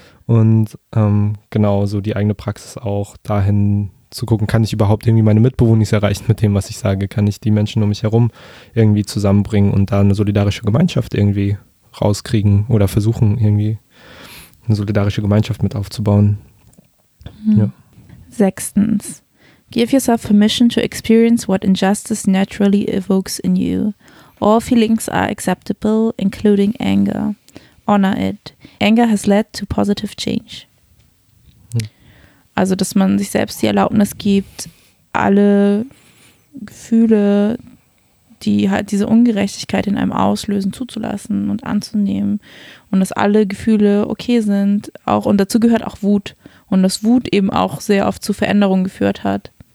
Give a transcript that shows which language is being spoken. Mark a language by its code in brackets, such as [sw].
[de] Und genau, so die eigene Praxis auch dahin zu gucken, kann ich überhaupt irgendwie meine Mitbewohner nicht erreichen mit dem, was ich sage? Kann ich die Menschen um mich herum irgendwie zusammenbringen und da eine solidarische Gemeinschaft irgendwie rauskriegen oder versuchen irgendwie eine solidarische Gemeinschaft mit aufzubauen? Ja. Sechstens. [en] Give yourself permission to experience what injustice naturally evokes in you. All feelings are acceptable, including anger. Honor it. Anger has led to positive change. [de] Also, dass man sich selbst die Erlaubnis gibt, alle Gefühle, die halt diese Ungerechtigkeit in einem auslösen, zuzulassen und anzunehmen. Und dass alle Gefühle okay sind. Auch, und dazu gehört auch Wut. Und dass Wut eben auch sehr oft zu Veränderungen geführt hat.